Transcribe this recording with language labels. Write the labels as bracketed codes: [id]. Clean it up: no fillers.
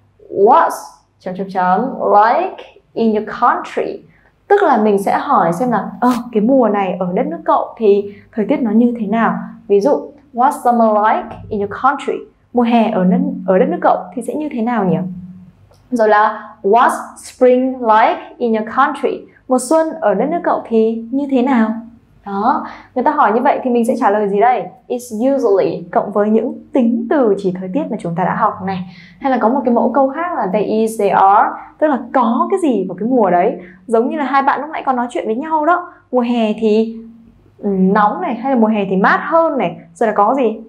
[en] What's like in your country? [vi] Tức là mình sẽ hỏi xem là cái mùa này ở đất nước cậu thì thời tiết nó như thế nào. Ví dụ, [en] what's summer like in your country? [vi] Mùa hè ở đất nước cậu thì sẽ như thế nào nhỉ? Rồi là [en] what's spring like in your country? [vi] Mùa xuân ở đất nước cậu thì như thế nào? Đó, người ta hỏi như vậy thì mình sẽ trả lời gì đây? [en] It's usually [vi] cộng với những tính từ chỉ thời tiết mà chúng ta đã học này. Hay là có một cái mẫu câu khác là [en] they is, they are, [vi] tức là có cái gì vào cái mùa đấy. Giống như là hai bạn lúc nãy còn nói chuyện với nhau đó. Mùa hè thì nóng này, hay là mùa hè thì mát hơn này. Rồi là có gì?